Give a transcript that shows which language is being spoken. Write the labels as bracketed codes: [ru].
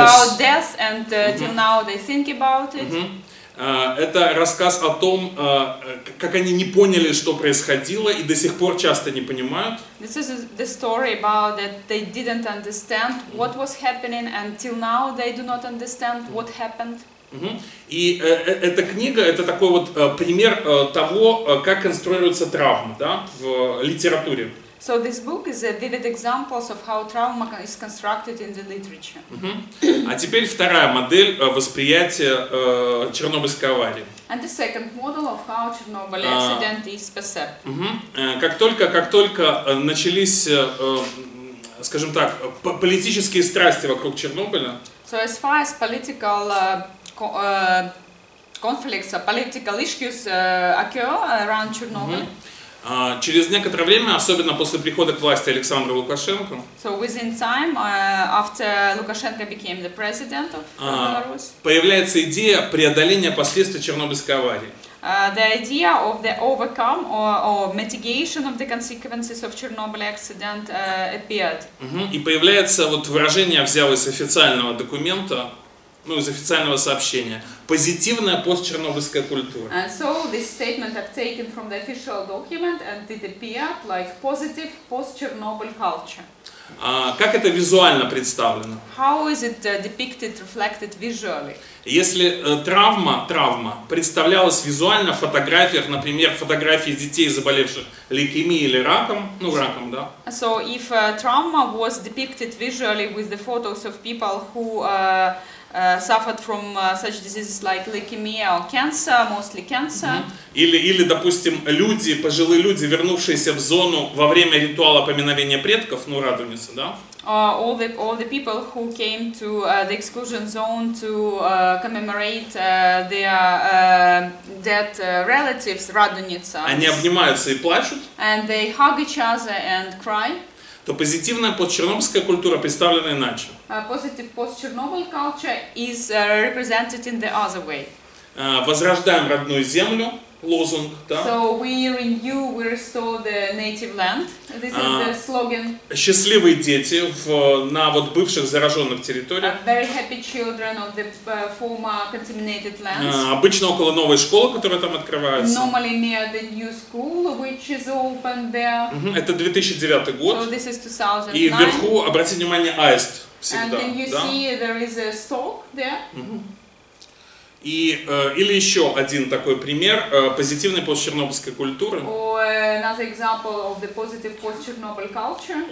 [en] About death, and till now they think about it. [ru] Это рассказ о том, как они не поняли, что происходило, и до сих пор часто не понимают. [en] This is the story about that they didn't understand what was happening, and till now they do not understand what happened. [ru] И эта книга — это такой вот пример того, как конструируется травма, да, в литературе. [en] So this book is a vivid example of how trauma is constructed in the literature. [ru] А теперь вторая модель восприятия Чернобыльской аварии. [en] And the second model of how Chernobyl accident is perceived. [ru] Как только начались, скажем так, политические страсти вокруг Чернобыля. [en] So as far as political conflicts, political issues occur around Chernobyl. [ru] Через некоторое время, особенно после прихода к власти Александра Лукашенко. [en] So within time, after Lukashenko became the president of Belarus. [ru] Появляется идея преодоления последствий Чернобыльской аварии. [en] The idea of the overcome or mitigation of the consequences of Chernobyl accident appeared. [ru] И появляется вот выражение, взял из официального документа. Ну, из официального сообщения. Позитивная постчернобыльская культура. [en] And so this statement I've taken from the official document and it appeared like positive post-Chernobyl culture. [ru] Как это визуально представлено? [en] How is it depicted, reflected visually? [ru] Если травма представлялась визуально в фотографиях, например, фотографии детей, заболевших лейкемией или раком, ну, раком, да? [en] So if trauma was depicted visually with the photos of people who suffered from such diseases like leukemia or cancer, mostly cancer. [ru] Или, допустим, люди, пожилые люди, вернувшиеся в зону во время ритуала поминовения предков, ну, радуница, да? [en] All the people who came to the exclusion zone to commemorate their dead relatives, радуница. [ru] Они обнимаются и плачут. [en] And they hug each other and cry. [ru] То позитивная постчернобыльская культура представлена иначе. [en] Positive post-Chernobyl culture is represented in the other way. [ru] Возрождаем родную землю, лозунг, да? [en] So we renew, we restore the native land. This is the slogan. [ru] Счастливые дети на вот бывших зараженных территориях. [en] Very happy children of the former contaminated lands. [ru] Обычно около новой школы, которая там открывается. [en] Normally near the new school, which is open there. [ru] Это 2009 год. [en] So this is 2009. [ru] И вверху, обратите внимание, аист. Всегда, [en] and then you [ru] да? [en] see there is a stalk there. [ru] И или еще один такой пример позитивной постчернобыльской культуры. [en] Another example of the positive post-Chernobyl culture.